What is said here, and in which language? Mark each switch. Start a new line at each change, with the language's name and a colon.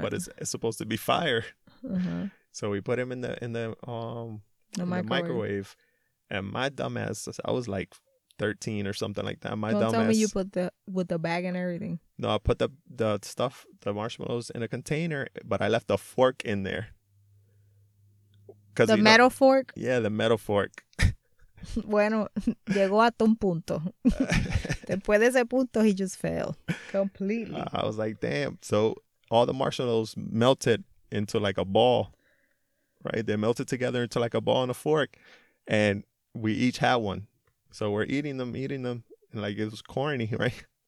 English: But it's supposed to be fire, uh-huh. So we put him in the microwave, and my dumbass, I was like 13 or something like that. Tell me you put the bag and everything. No, I put the marshmallows in a container, but I left a fork in there. The metal fork. Yeah, the metal fork.
Spanish: Bueno, llegó hasta un punto. Después de ese punto,
English: he just fell completely. I was like, damn. So all the marshmallows melted into like a ball, right? They melted together into like a ball and a fork. And we each had one. So we're eating them. And like, it was corny, right?